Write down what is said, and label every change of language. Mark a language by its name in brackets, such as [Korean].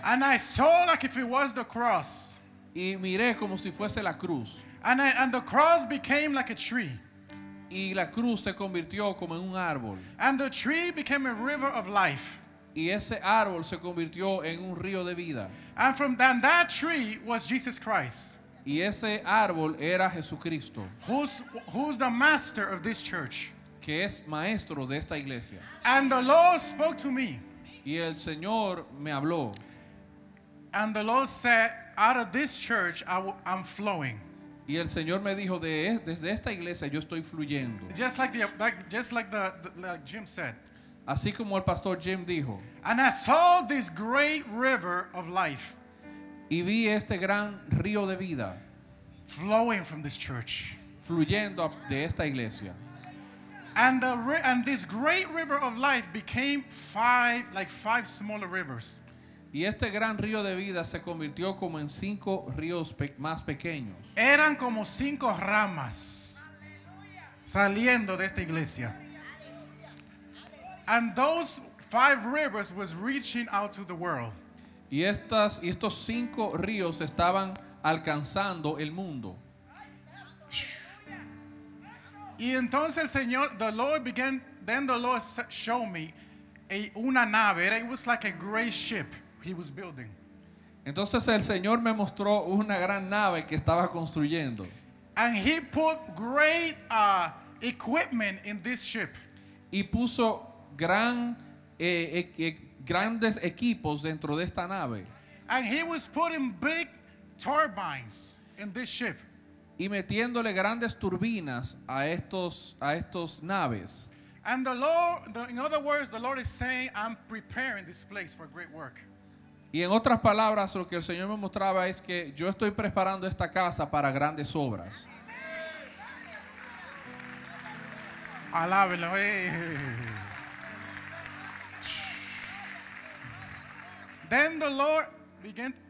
[English] And I saw like if it was the cross. [Spanish] y miré como si fuese la cruz. [English] And the cross became like a tree. [Spanish] Y la cruz se convirtió como en un árbol. [English] And the tree became a river of life. [Spanish] Y ese árbol se convirtió en un río de vida. [English] And from then, that tree was Jesus Christ. [Spanish] Y ese árbol era Jesucristo. [English] Who's the master of this church? [Spanish] Que es maestro de esta iglesia. [English] And the Lord spoke to me. [Spanish] Y el Señor me habló. [English] And the Lord said, out of this church I'm flowing. [Spanish] Y el Señor me dijo, desde esta iglesia yo estoy fluyendo. [English] Just like like Jim said. [Spanish] Así como el pastor Jim dijo. [English] And I saw this great river of life. [Spanish] Y vi este gran río de vida. [English] Flowing from this church. [Spanish] Fluyendo de esta iglesia. [English] And this great river of life became five smaller rivers. [Spanish] Y este gran río de vida se convirtió como en cinco ríos más pequeños. Eran como cinco ramas saliendo de esta iglesia. [English] And those five rivers was reaching out to the world. [Spanish] Y estos cinco ríos estaban alcanzando el mundo. Y entonces [English] the Lord showed me [Spanish] una nave. [English] It was like a great ship he was building. [Spanish] Entonces el Señor me mostró una gran nave que estaba construyendo. [English] And he put great equipment in this ship. [Spanish] Y puso grandes equipos dentro de esta nave. [English] And he was putting big turbines in this ship. [Spanish] Y metiéndole grandes turbinas a estos naves. [English] And the Lord, in other words, the Lord is saying, I'm preparing this place for great work. [Spanish] Y en otras palabras, lo que el Señor me mostraba es que yo estoy preparando esta casa para grandes obras. Alábelo. [English] Then the Lord began.